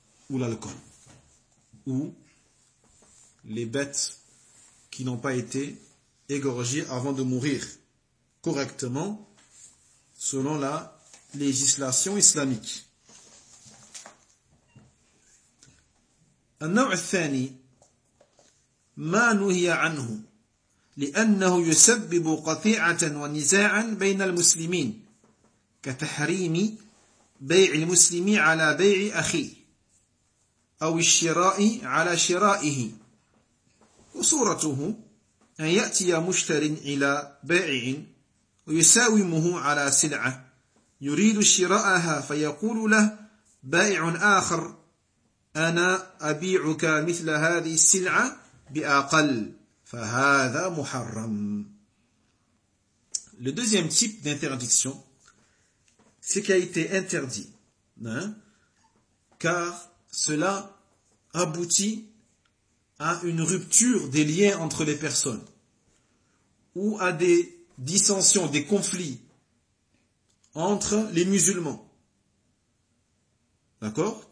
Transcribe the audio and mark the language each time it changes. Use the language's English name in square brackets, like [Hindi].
[French] Ou l'alcool, ou les bêtes qui n'ont pas été égorgées avant de mourir correctement selon la législation islamique. [Arabic] النوع الثاني ما نهي عنه لأنه يسبب قطيعة ونزاعا بين المسلمين كتحريم بيع المسلم على بيع أخيه أو الشراء على شرائه وصورته أن يأتي مشتر إلى بائع ويساومه على سلعة يريد شراءها فيقول له بائع آخر أنا أبيعك مثل هذه السلعة بأقل فهذا محرم. [French] Le deuxième type d'interdiction, c'est qui a été interdit, car cela aboutit à une rupture des liens entre les personnes ou à des dissensions, des conflits entre les musulmans. D'accord?